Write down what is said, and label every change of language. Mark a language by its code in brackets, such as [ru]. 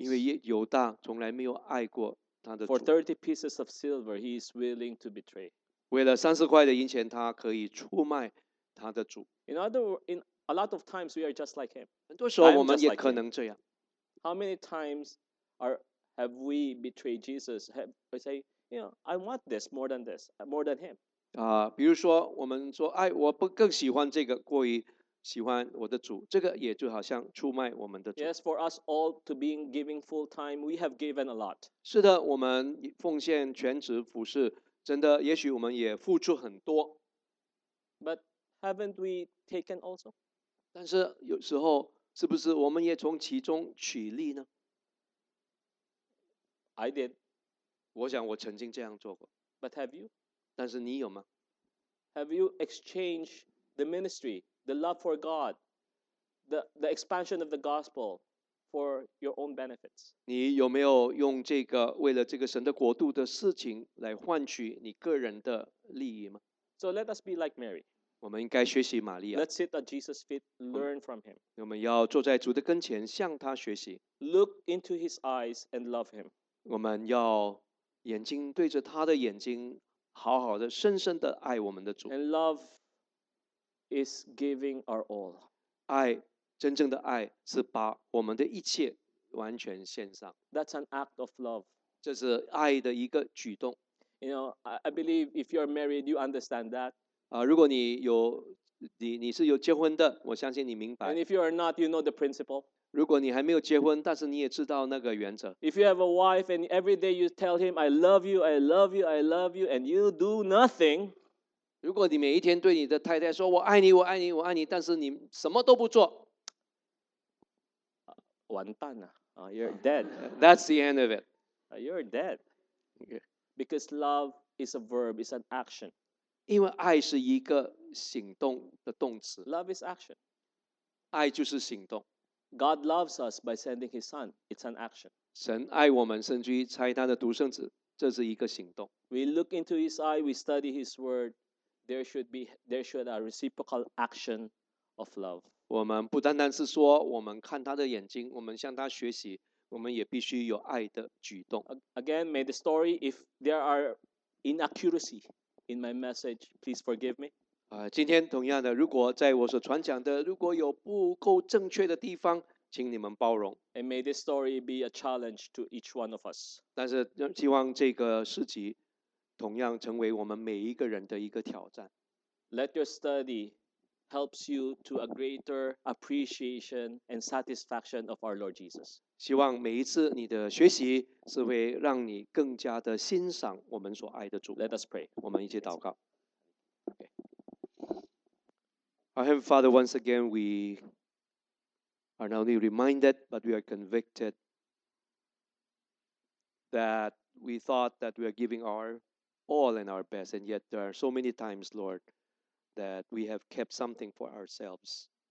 [zh] 因为犹大从来没有爱过 [en] For 30 pieces of silver, he is willing to betray. [zh] 为了三四块的银钱，他可以出卖他的主。 [en] In a lot of times, we are just like him. [zh] 很多时候我们也可能这样。 [en] How many times have we betrayed Jesus? We say, you know, I want this more than this, more than him. [zh] 比如说我们说，哎，我不更喜欢这个过于喜欢我的主，这个也就好像出卖我们的主。 [en] Yes, for us all to be giving full time, we have given a lot. [zh] 是的，我们奉献全职服事，真的，也许我们也付出很多。 [en] But haven't we taken also? [zh] 但是有时候，是不是我们也从其中取利呢？ [en] I did. [zh] 我想我曾经这样做过。 [en] But have you? [zh] 但是你有吗？ [en] Have you exchanged the ministry, the love for God, the expansion of the gospel for your own benefits? [zh] 你有没有用这个为了这个神的国度的事情来换取你个人的利益吗？ [en] So let us be like Mary. [zh] 我们应该学习玛利亚。 [en] Let's sit at Jesus' feet, learn from him. [zh] 我们要坐在主的跟前向他学习。 [en] Look into his eyes and love him. [zh] 我们要眼睛对着他的眼睛好好的深深的爱我们的主。 [en] And love is giving our all. [zh] 爱，真正的爱是把我们的一切完全献上。 [en] That's an act of love. [zh] 这是爱的一个举动。 [en] You know, I believe if you're married, you understand that. [zh] 如果你是有结婚的，我相信你明白。 [en] And if you are not, you know the principle. [zh] 如果你还没有结婚，但是你也知道那个原则。 [en] If you have a wife and every day you tell him, I love you, I love you, I love you, and you do nothing. [zh] 如果你每一天对你的太太说，我爱你，我爱你，我爱你，但是你什么都不做。完蛋了。 [en] You're dead. That's the end of it. You're dead. Because love is a verb, it's an action. [zh] 因为爱是一个行动的动词。 [en] Love is action. [zh] 爱就是行动。 [en] God loves us by sending his son. It's an action. [zh] 神爱我们，甚至于差他的独生子，这是一个行动。 [en] We look into his eye, we study his word. There should be a reciprocal action of love. [zh] 我们不单单是说我们看他的眼睛，我们向他学习，我们也必须有爱的举动。 [en] Again, may the story, if there are inaccuracy in my message, please forgive me. [zh] 今天同样的，如果在我所传讲的如果有不够正确的地方，请你们包容。 [en] And may this story be a challenge to each one of us. [zh] 但是希望这个事迹同样成为我们每一个人的一个挑战。 [en] Let your study helps you to a greater appreciation and satisfaction of our Lord Jesus. [zh] 希望每一次你的学习是会让你更加的欣赏我们所爱的主。 [en] Let us pray. [zh] 我们一起祷告。 [en] Our Heavenly Father, once again, we are not only reminded, but we are convicted that we thought that we are giving our all and our best, and yet there are so many times, Lord, that we have kept something for ourselves.